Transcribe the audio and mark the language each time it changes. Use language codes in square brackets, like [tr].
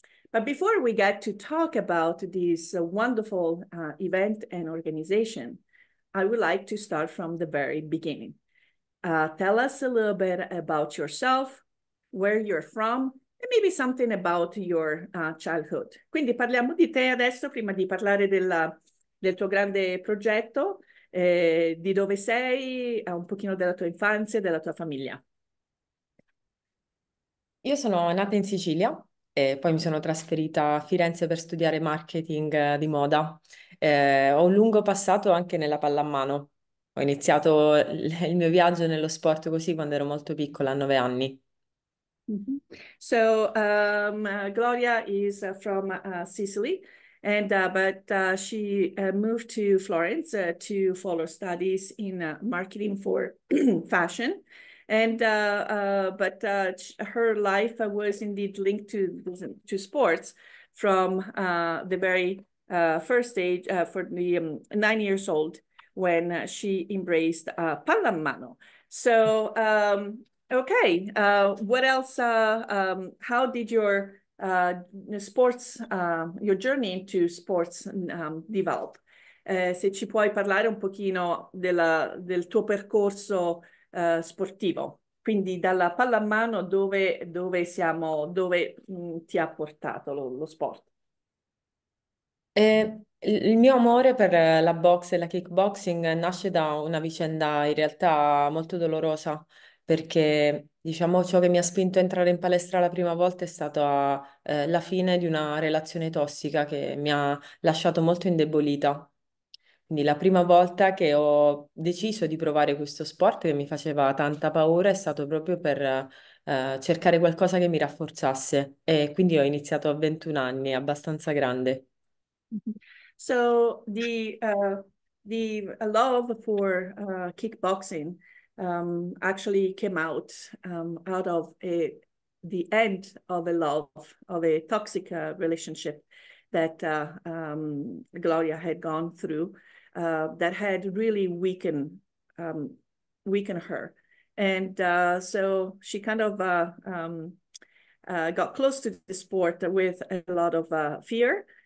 [en] But before we get to talk about this wonderful event and organization, I would like to start from the very beginning. Tell us a little bit about yourself, where you're from, and maybe something about your childhood. [it] Quindi parliamo di te adesso, prima di parlare del tuo grande progetto, di dove sei, un pochino della tua infanzia, della tua famiglia. Io sono nata in Sicilia. E poi mi sono trasferita a Firenze per studiare marketing di moda. Ho un lungo passato anche nella pallamano. Ho iniziato il mio viaggio nello sport così quando ero molto piccola, a 9 anni. Mm-hmm. [en] So Gloria is from Sicily, and but she moved to Florence to follow studies in marketing for fashion. And but her life was indeed linked to sports from the very first age for the 9 years old when she embraced pallamano. So okay, what else? How did your sports your journey into sports develop? [it] Se ci puoi parlare un pochino del tuo percorso sportivo, quindi dalla palla a mano dove ti ha portato lo sport? Il mio amore per la box e la kickboxing nasce da una vicenda in realtà molto dolorosa, perché diciamo ciò che mi ha spinto a entrare in palestra la prima volta è stata la fine di una relazione tossica che mi ha lasciato molto indebolita. Quindi la prima volta che ho deciso di provare questo sport che mi faceva tanta paura è stato proprio per cercare qualcosa che mi rafforzasse e quindi ho iniziato a 21 anni, abbastanza grande. [en] So the love for kickboxing actually came out out of the end of a love of a toxic relationship that Gloria had gone through that had really weakened her, and so she kind of got close to the sport with a lot of fear.